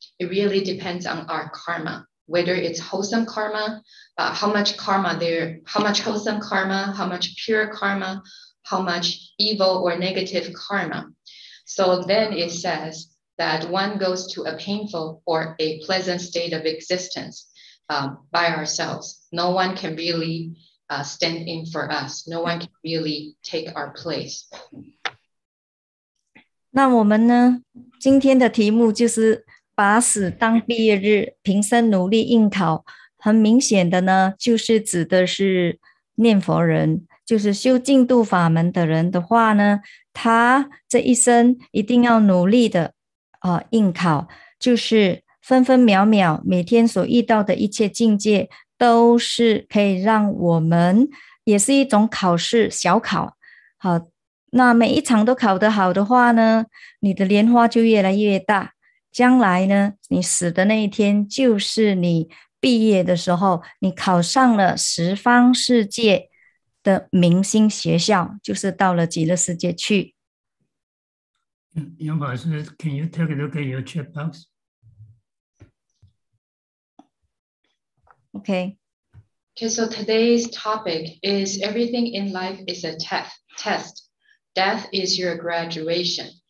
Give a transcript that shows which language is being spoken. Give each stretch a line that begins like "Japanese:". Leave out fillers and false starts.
English: It really depends on our karma, whether it's wholesome karma, how much wholesome karma, how much pure karma, how much evil or negative karma. So then it says, that one goes to a painful or a pleasant state of existence by ourselves. No one can really stand in for us. No one can really take our place.
Chinese: 那我们呢，今天的题目就是把死当毕业日，平生努力应考。很明显的呢，就是指的是念佛人，就是修净度法门的人的话呢，他这一生一定要努力的应考，就是分分秒秒每天所遇到的一切境界都是可以让我们，也是一种考试，小考。好，那每一场都考得好的话呢，你的莲花就越来越大，将来呢你死的那一天就是你毕业的时候，你考上了十方世界的明星学校，就是到了极乐世界去。
English: Yang Bao, can you take a look at your chat box? Okay. Okay, so today's topic is everything in life is a test. Death is your graduation.